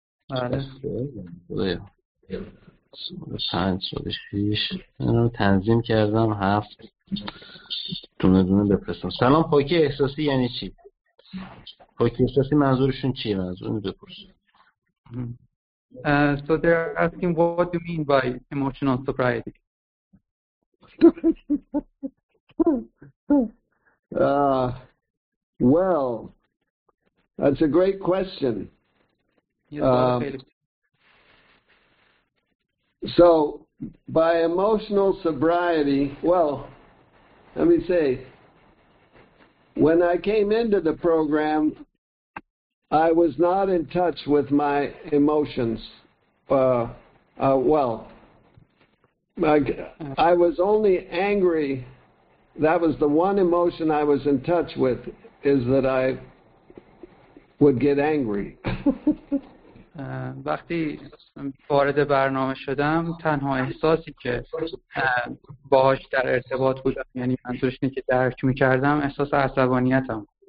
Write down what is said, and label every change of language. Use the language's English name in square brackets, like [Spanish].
[Persian] بله. سوال پنج، سوال شیش من رو تنظیم کردم، هفت دونه دونه بپرسم. سلام پاکی احساسی یعنی چی؟ پاکی احساسی منظورشون چیه؟ منظورون بپرسم. [English] So they're asking, what do you mean by emotional sobriety? Well, that's a great question. So, by emotional sobriety, well, let me say, when I came into the program, I was not in touch with my emotions. I was only angry. That was the one emotion I was in touch with, is that I would get angry. [Persian] وقتی وارد برنامه شدم تنها احساسی که باهاش در ارتباط بودم، یعنی منظورش اینه که درک می‌کردم، احساس عصبانیتم.